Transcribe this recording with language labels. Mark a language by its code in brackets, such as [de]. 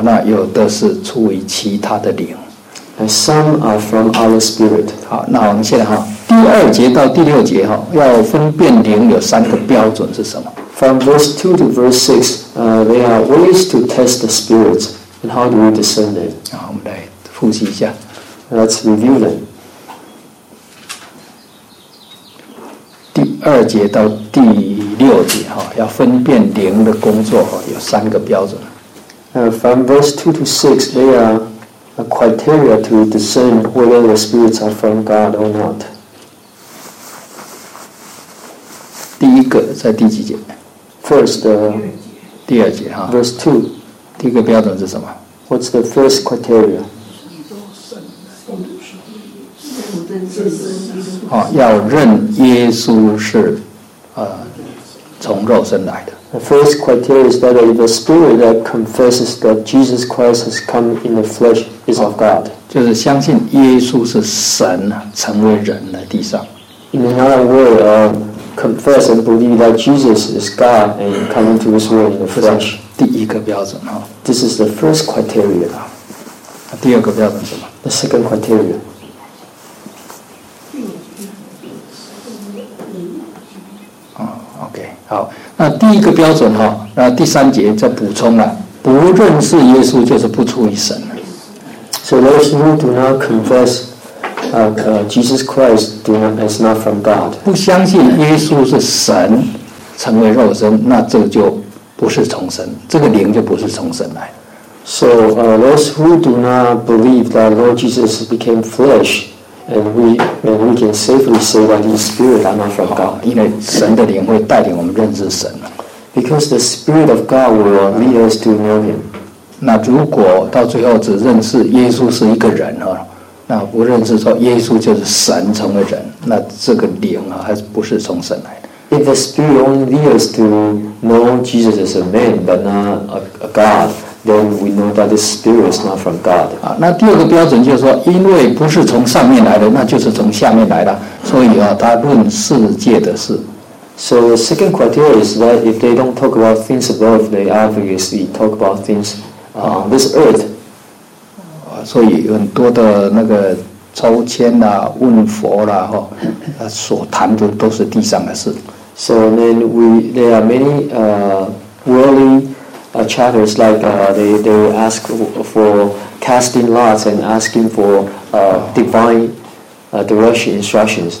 [zh] 那有的是出于其他的灵。 [en] And some are from other spirit. [zh] 好，那我们现在第二节到第六节要分辨灵有三个标准是什么？ [en] From verse 2 to verse 6, there are ways to test the spirits and how do we discern it? [zh] 好，我们来复习一下。 [en] Let's review them. [zh] 第二节到第六节要分辨灵的工作有三个标准。 [en] From verse 2 to 6, they are a criteria to discern whether the spirits are from God or not. [zh] 第一个在第几节？ [en] First, [zh] 第二节 [en] Verse 2. [zh] 第一个标准是什么？ [en] What's the first criteria? [zh] 要认耶稣是从肉身来的。 [en] The first criteria is that the spirit that confesses that Jesus Christ has come in the flesh is of God. [zh] 就是相信耶稣是神成为人来地上。 [en] In another word, confess and believe that Jesus is God and coming to His word in the flesh. [zh] 第一个标准啊。 [en] This is the first criteria. [zh] 第二个标准是什么？ [en] The second criteria. [zh] 好，那第一个标准哈，那第三节再补充了，不认识耶稣就是不出于神了。 [en] So those who do not confess, Jesus Christ do not is not from God. [zh] 不相信耶稣是神，成为肉身，那这个就不是从神，这个灵就不是从神来。 [en] So those who do not believe that Lord Jesus became flesh. And we can safely say that His Spirit are not from God. [zh] 因为神的灵会带领我们认识神。 [en] Because the Spirit of God will lead us to know Him. [zh] 那如果到最后只认识耶稣是一个人啊，那不认识说耶稣就是神成为人，那这个灵啊还不是从神来的。 [en] If the Spirit only leads us to know Jesus as a man but not a God. Then we know that the spirit is not from God. [zh] 啊，那第二个标准就是说，因为不是从上面来的，那就是从下面来的，所以啊，他论世界的事。 [en] So the second criteria is that if they don't talk about things above, they obviously talk about things on this earth. [zh] 啊，所以很多的那个抽签啦、问佛啦，哈，所谈的都是地上的事。 [en] So then there are many worldlychatters like they ask for casting lots and asking for divine direction instructions.